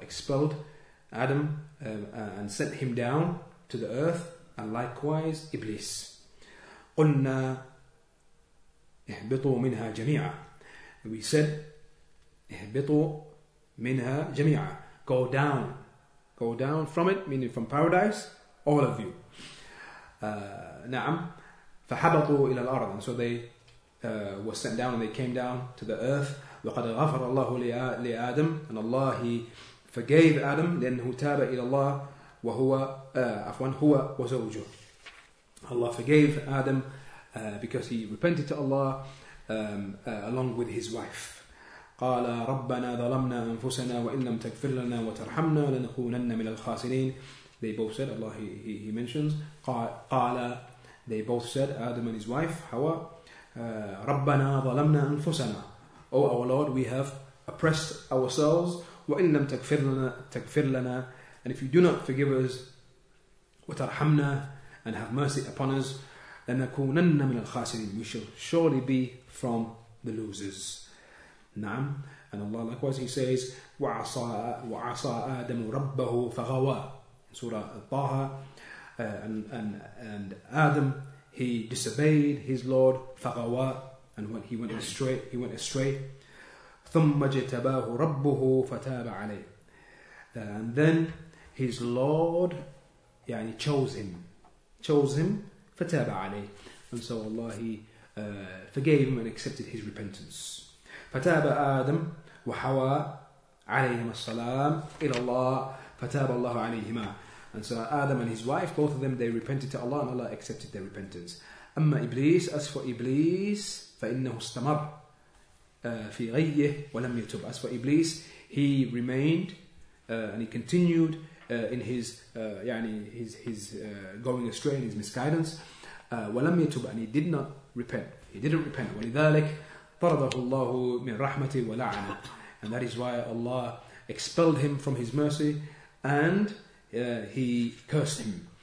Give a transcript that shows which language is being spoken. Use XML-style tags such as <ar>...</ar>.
<en>Expelled Adam and sent him down to the earth, and likewise Iblis.</en> <ar>قلنا إهبطوا منها جميعا.</ar> <en>We said</en> <ar>إهبطوا منها جميعا.</ar> <en>Go down. Go down from it, meaning from paradise, all of you.</en> <ar>نعم. فحبطوا إلى الأرض.</ar> <en>And so they were sent down and they came down to the earth.</en> <ar>وقد غفر الله لآدم.</ar> <en>And Allah, He forgave Adam.</en> <ar>لأنه تاب إلى الله وهو هو وزوجه.</ar> <en>Allah forgave Adam because he repented to Allah along with his wife.</en> <ar>قال ربنا ظلمنا أنفسنا وإن لم تغفر لنا وترحمنا لنكونن من الخاسرين.</ar> <en>They both said, Allah, he mentions, قال, they both said, Adam and his wife, حواء,</en> <ar>ربنا ظلمنا أنفسنا.</ar> <en>Oh, our Lord, we have oppressed ourselves.</en> <ar>وإن لم تغفر لنا,</ar> <en>and if you do not forgive us,</en> <ar>وترحمنا,</ar> <en>and have mercy upon us,</en> <ar>لنكونن من الخاسرين.</ar> <en>We shall surely be from the losers. نعم. And Allah likewise, He says,</en> <ar>وعصى آدم ربه فغوى.</ar> <en>Surah Taha. And Adam, he disobeyed his Lord, فغوى. And when he went astray,</en> <ar>ثم جتباه ربه فتاب عليه.</ar> <en>And then his Lord, يعني chose him,</en> <ar>فتاب عليه.</ar> <en>And so Allah, He forgave him and accepted his repentance.</en> <ar>فتاب آدم وحواء عليهما السلام إلى الله فتاب الله عليهما.</ar> <en>And so Adam and his wife, both of them, they repented to Allah, and Allah accepted their repentance.</en> <ar>أما إبليس,</ar> <en>as for Iblis,</en> <ar>فإنه استمر في غيه ولم يتوب.</ar> <en>As for Iblis, he remained and he continued in his going astray and his misguidance.</en> <ar>ولم يتوب,</ar> <en>and he did not repent. He didn't repent.</en> <ar>ولذلك طرده الله من رحمته ولعنه.</ar> <en>And that is why Allah expelled him from his mercy and he cursed him.</en>